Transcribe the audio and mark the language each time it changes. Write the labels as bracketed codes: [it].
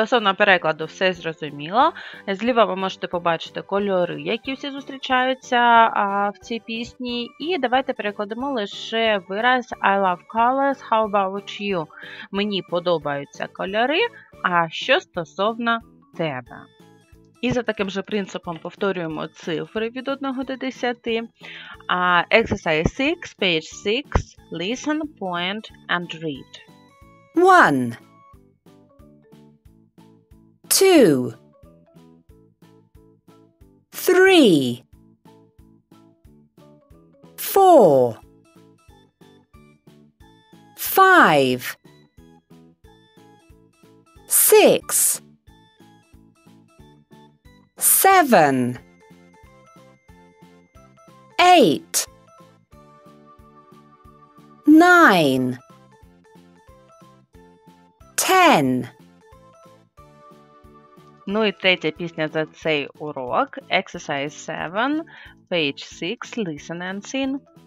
[uk] стосовно перекладу, все зрозуміло. Зліва ви можете побачити кольори, які всі зустрічаються в цій пісні. І давайте перекладемо лише вираз [en] I love colors, how about you? [uk] Мені подобаються кольори, а що стосовно тебе? І за таким же принципом повторюємо цифри від 1 до 10. [en] Exercise 6, page 6, listen, point and read. 1. 2. 3. 4. 5. 6. 7. 8. 9. 10. [uk] Ну і третя пісня за цей урок. [en] Exercise 7, page 6, listen and sing.